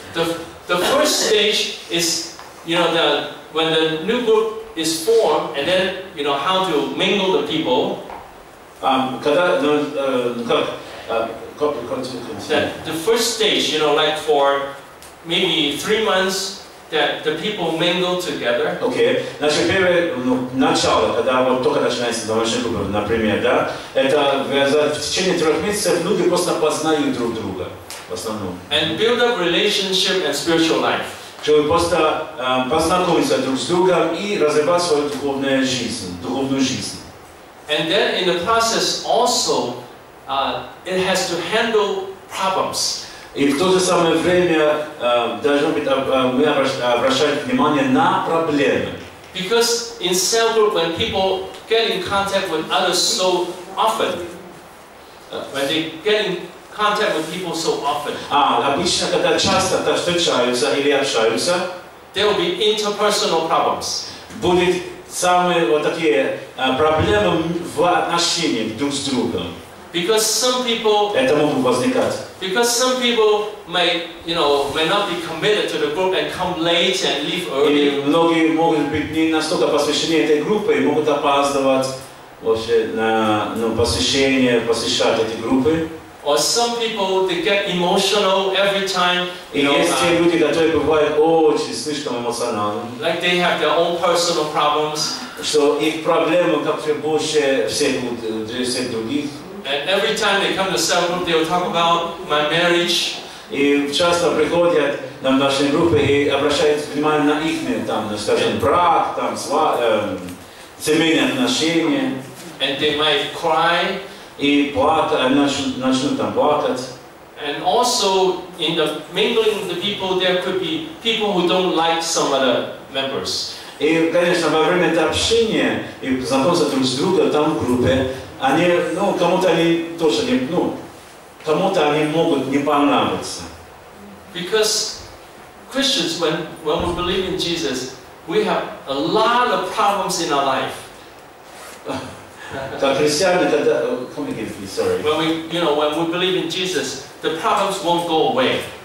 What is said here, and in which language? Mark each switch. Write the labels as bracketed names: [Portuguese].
[English] The first stage is, you know, when the new group is formed and then, you know, how to mingle the people. The first stage, you know, like for maybe 3 months, that the people mingle together. Okay. [Russian] Значит, первое, ну, начало, когда вот только начинается домашняя группа, например, да, это в течение 3 месяцев люди просто познают друг друга, в основном. [English] And build up relationship and spiritual life. [Russian] Чтобы просто познакомиться друг с другом и развивать свою духовную жизнь. [English] And then in the process also, it has to handle problems. [Russian] И в то же самое время должно быть обращать внимание на проблемы. [English] Because in cell group, when people get in contact with others so often, when they get in contact with people so often, [Russian] обычно когда часто так встречаются или общаются, [English] there will be interpersonal problems. [Russian] Будет самые вот такие проблемы в отношениях друг с другом. [English] Because some people, [Russian] это могут возникать. [English] Because some people may, you know, may not be committed to the group and come late and leave early. [Russian] И многие могут быть не настолько посвящены этой группе и могут опаздывать вообще на, ну, посвящение, посещать эти группы. [English] Or some people, they get emotional every time. [Russian] И есть те люди, которые бывают очень слишком эмоциональны. [English] Like they have their own personal problems. [Russian] Что их проблемы как-то больше всех других. [English] And every time they come to cell group, they will talk about my marriage. [Russian] И часто приходят на наши группы и обращают внимание на их, там, скажем, брак, там, семейные отношения. [English] And they might cry. [Russian] И начнут там плакать. [English] And also, in the mingling of the people, there could be people who don't like some other members. [Russian] И, конечно, во время это общения и знакомства друг с другом там в группе, они, ну, кому-то они тоже не, ну, кому-то они могут не понравиться. [English] Because Christians, when we believe in Jesus, we have a lot of problems in our life. [Russian] Как христиане, когда, [English] come again, please, sorry. When we, you know, when we believe in Jesus, the problems won't go away.